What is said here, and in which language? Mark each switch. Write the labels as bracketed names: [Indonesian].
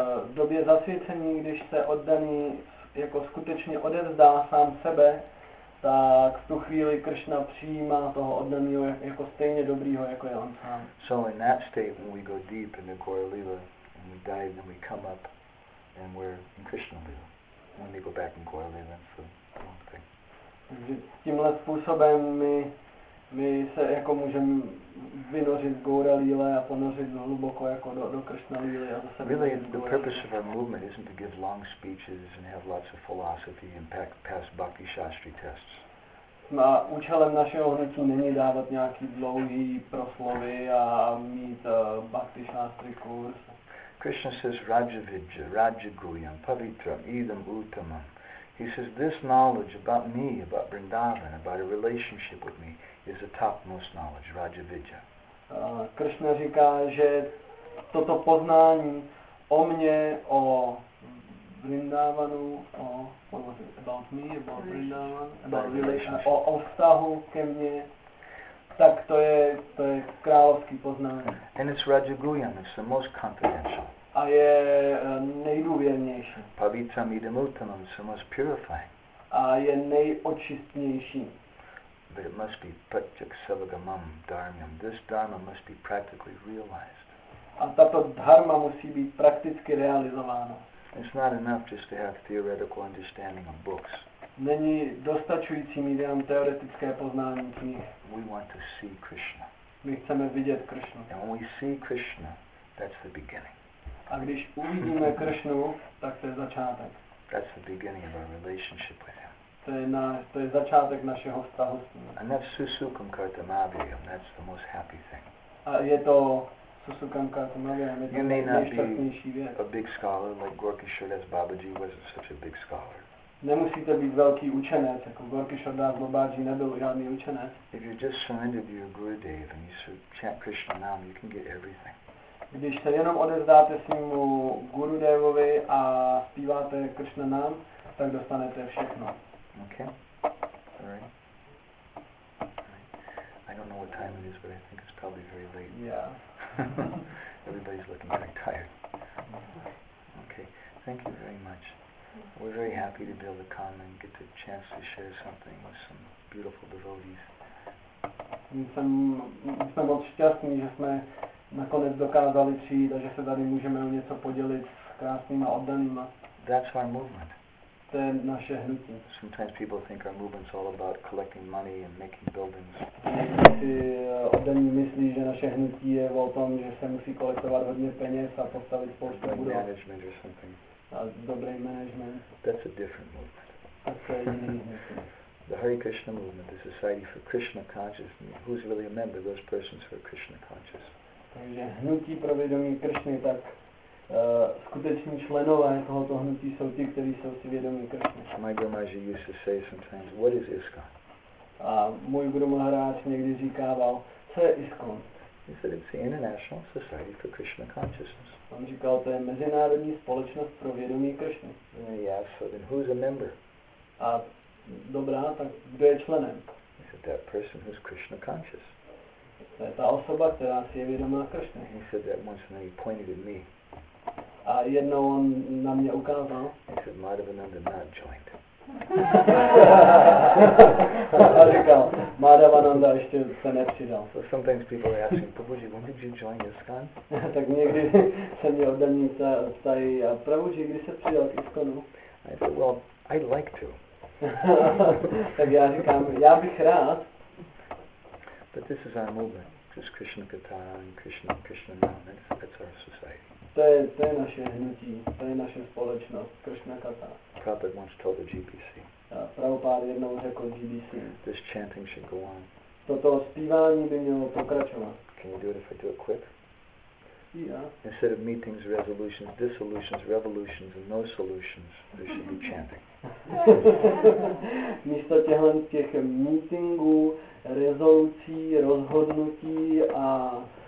[Czech] V době zasvěcení, když se oddaný jako skutečně odevzdá sám sebe, tak v tu chvíli Krishna přijímá toho oddaného jako stejně dobrýho, jako je on sám. [English] So in that state, when we go deep in the Gaura Lila, and we die, and then we come up, and we're in Krishna Lila. When we go back in Gaura Lila, that's the one thing. [Czech] Tímhle způsobem my se jako můžeme vynořit Gaura Lila a ponořit hluboko jako do Krishna Lily a zase. [English] Really, the purpose of our movement isn't to give long speeches and have lots of philosophy and pass bhakti shastri tests. [Czech] A účelem našeho hnutí není dávat nějaký dlouhý proslovy a mít bhakti shastri kurz. [English] Krishna says [Sanskrit] Rajavidya, Rajaguyam, Pavitram, Idam Uttamam. [English] He says this knowledge about me, about Vrindavan, about a relationship with me is the topmost knowledge, Raja Vidya. [Czech] Krishna říká, že toto poznání o mně, o Vrindavanu, o [English] what was it, about me, about Vrindavan, about relationship, [Czech] o vztahu ke mně, tak to je královský poznání. [English] And it's Raja Guyan, it's the most confidential. [Czech] A je nejdůvěrnější. [Sanskrit] Pavitram idam uttamam, [English] it's the most purifying. [Czech] A je nejočistnější. [English] But it must be [Sanskrit] pratyak savagamam dharmam. [English] This dharma must be practically realized. [Czech] A tato dharma musí být prakticky realizováno. [English] It's not enough just to have theoretical understanding of books. [Czech] Není dostačující mít jenom teoretické poznání knih. [English] We want to see Krishna. [Czech] My chceme vidět Krishna. [English] And when we see Krishna, that's the beginning. [Czech] A když uvidíme Krishnu, tak to je začátek. [English] That's the beginning of our relationship with Him. [Czech] To je začátek našeho vztahu s ním. [English] And that's [Sanskrit] susukam kartam abhyam. [English] That's the most happy thing. [Czech] A je to [Sanskrit] susukam kartam abhyam. [English] You may not be [Czech] věc. [English] A big scholar like Gaurakishore Das Babaji wasn't such a big scholar. [Czech] Nemusíte být velký učenec, jako Gaurakishore Das Babaji nebyl žádný učenec. [English] If you just surrender to your Gurudev and you chant Krishna Nam, you can get everything. [Czech] Když se jenom odevzdáte svému Gurudevovi a zpíváte Krishna Nam, tak dostanete všechno. [English] Okay. All right. I don't know what time it is, but I think it's probably very late. Yeah. Everybody's looking very tired. Okay. Thank you very much. We're very happy to be able to come and get the chance to share something with some beautiful devotees. [Czech] Jsem moc šťastný, že jsme nakonec dokázali přijít a že se tady můžeme o něco podělit s krásnýma oddanýma. [English] That's our movement. [Czech] To je naše hnutí. [English] Sometimes people think our movement's all about collecting money and making buildings. [Czech] Oddaní myslí, že naše hnutí je o tom, že se musí kolektovat hodně peněz a postavit spoustu budov. [English] Management or something. [Czech] A dobrý management. [English] That's a different movement. [Czech] A to je jiný hnutí. [English] The Hare Krishna movement, the Society for Krishna Consciousness. Who's really a member? Those persons who are Krishna conscious. [Czech] Takže hnutí pro vědomí Krishny, tak skuteční členové tohoto hnutí jsou ti, kteří jsou si vědomí Krishna. [English] My Guru Maharaj used to say sometimes, what is ISKCON? [Czech] A můj Guru Maharaj někdy říkával, co je ISKCON? [English] He said, it's the International Society for Krishna Consciousness. [Czech] On říkal, to je Mezinárodní společnost pro vědomí Krishny. [English] Yes, so then who's a member? [Czech] A dobrá, tak kdo je členem? [English] He said, that person who's Krishna conscious. [Czech] To je ta osoba, která si je vědomá Krishna. [English] He said that once and he pointed at me. [Czech] A jednou on na mě ukázal. [English] He said, Madhavananda not joined. [Czech] A říkal, Madhavananda ještě se nepřidal. [English] So sometimes people are asking, Prabhuji, when did you join ISKCON? [Czech] Tak někdy se mě oddaní ptají, Prabhuji, kdy se přidal k ISKCONu? [English] I said, well, I'd like to. [Czech] Tak já říkám, já bych rád. [English] But this is our movement, just Krishna Katha and Krishna, Krishna Nam, that's our society. [Czech] To je naše hnutí, to je naše společnost, Krishna Katha. [English] Prabhupada once told the GBC. [Czech] Prabhupada jednou řekl GBC. [English] This chanting should go on. [Czech] Toto zpívání by mělo pokračovat. [English] Can you do it if I do it quick? Yeah. Instead of meetings, resolutions, dissolutions, revolutions, and no solutions, there should be chanting. [Czech] Místo těch meetingů, rezolucí, rozhodnutí a